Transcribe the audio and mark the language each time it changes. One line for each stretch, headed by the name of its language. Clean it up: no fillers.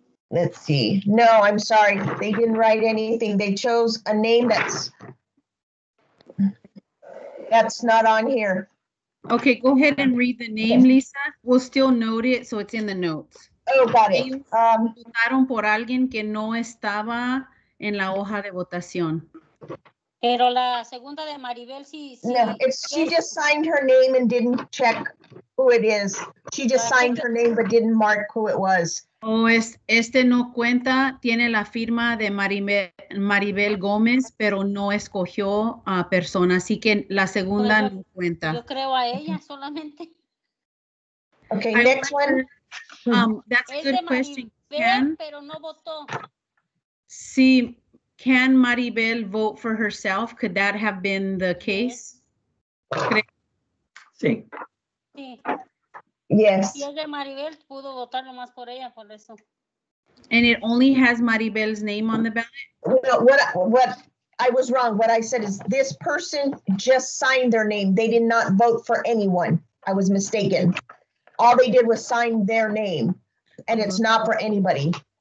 English: Let's see. No, I'm sorry, they didn't write anything. They chose a name that's not on here. Okay, go ahead and read the name, okay. Lisa. We'll still note it, so it's in the notes. Oh, got it.
Spanish: Votaron por alguien que no estaba en la hoja de votación. Pero la segunda de Maribel, sí.
English: No, she just signed her name and didn't check who it is. She just signed her name but didn't mark who it was.
Spanish: Este no cuenta, tiene la firma de Maribel Gómez, pero no escogió a persona, así que la segunda no cuenta. Yo creo a ella solamente.
English: Okay, next one. That's a good question.
Spanish: Maribel, pero no votó.
English: Sí, can Maribel vote for herself? Could that have been the case?
Spanish: Sí. Sí.
English: Yes.
Spanish: Y es de Maribel, pudo votar nomás por ella, por eso.
English: And it only has Maribel's name on the ballot? No, what, I was wrong. What I said is this person just signed their name. They did not vote for anyone. I was mistaken. All they did was sign their name, and it's not for anybody.